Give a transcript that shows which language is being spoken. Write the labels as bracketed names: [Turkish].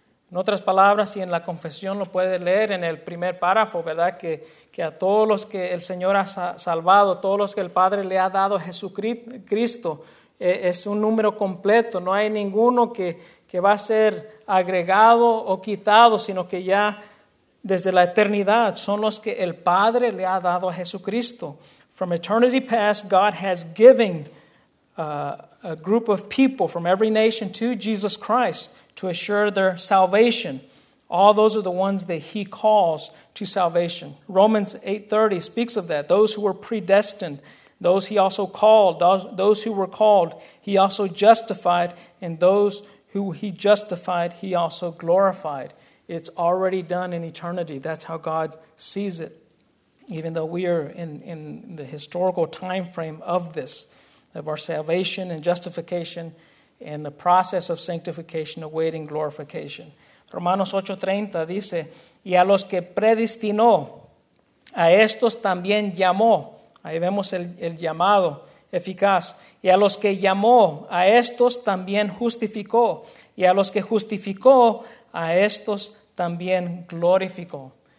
[Spanish] En otras palabras, y en la confesión lo puede leer en el primer párrafo, ¿verdad?, que a todos los que el Señor ha salvado, todos los que el Padre le ha dado a Jesucristo, es un número completo, no hay ninguno que va a ser agregado o quitado, sino que ya desde la eternidad son los que el Padre le ha dado a Jesucristo. [English] From eternity past, God has given a group of people from every nation to Jesus Christ to assure their salvation. All those are the ones that he calls to salvation. Romans 8:30 speaks of that, those who were predestined. Those he also called, those who were called, he also justified, and those who he justified, he also glorified. It's already done in eternity. That's how God sees it, even though we are in the historical time frame of this, of our salvation and justification and the process of sanctification awaiting glorification. [Spanish] Romanos 8:30 dice, y a los que predestinó, a estos también llamó. Ahí vemos el llamado eficaz. Y a los que llamó, a estos también justificó. Y a los que justificó, a estos también glorificó.